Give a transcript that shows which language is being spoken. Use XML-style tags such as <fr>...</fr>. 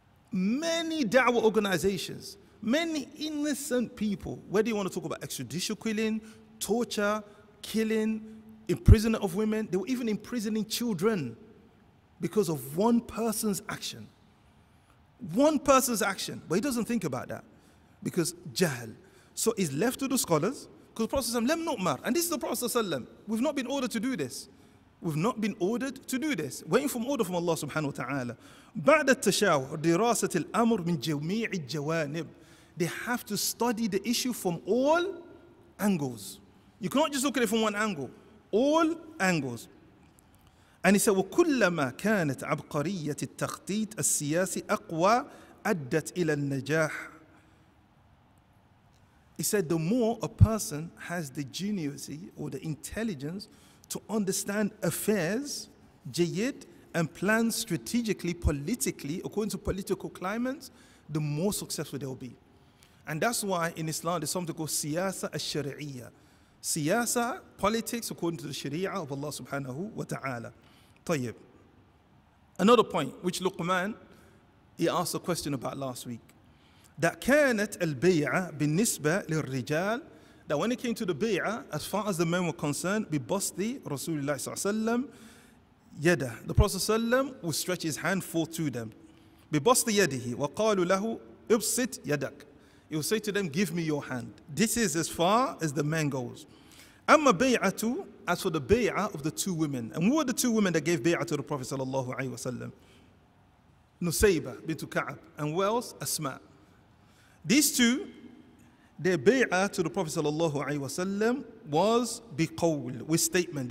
<en>Many da'wah organizations, many innocent people, whether you want to talk about extrajudicial killing, torture, killing, imprisonment of women, they were even imprisoning children because of one person's action. One person's action, but he doesn't think about that because jahl. So it's left to the scholars, because Prophet ﷺ, lem nu'mar, and this is the Prophet ﷺ, we've not been ordered to do this. We've not been ordered to do this. Waiting for order from Allah subhanahu wa ta'ala.</en> <ar>بعد التشاور دراسة الأمر من جميع الجوانب.</ar> <en>They have to study the issue from all angles. You cannot just look at it from one angle. All angles.</en> <ar>And he said, وَكُلَّمَا كَانَتْ عَبْقَرِيَّةِ التَّخْطِيطِ السِّيَاسِ أَقْوَى أَدَّتْ إِلَى النَّجَاحِ.</ar> <en>He said, the more a person has the genuity or the intelligence to understand affairs, jayid, and plan strategically, politically, according to political climates, the more successful they'll be. And that's why in Islam, there's something called siyasa al-shari'iyya. siyasa, politics, according to the sharia of Allah subhanahu wa ta'ala. Tayyib. Another point, which Luqman, he asked a question about last week. That كانت البيعة بالنسبة للرجال, that when it came to the بيعة, as far as the men were concerned, ببسطي رسول الله صلى الله عليه وسلم يده. The Prophet صلى الله عليه وسلم would stretch his hand forth to them.</en> <ar>ببسطي يده وقالوا له ابسط يدك.</ar> <en>He would say to them, give me your hand. This is as far as the man goes. أما بيعة, as for the بيعة of the two women. And who were the two women that gave بيعة to the Prophet صلى الله عليه وسلم? نسيبة بنت كعب. And who else? أسماء. These two, their bay'ah to the Prophet sallallahu alaihi wasallam was biqawl, with statement.</en>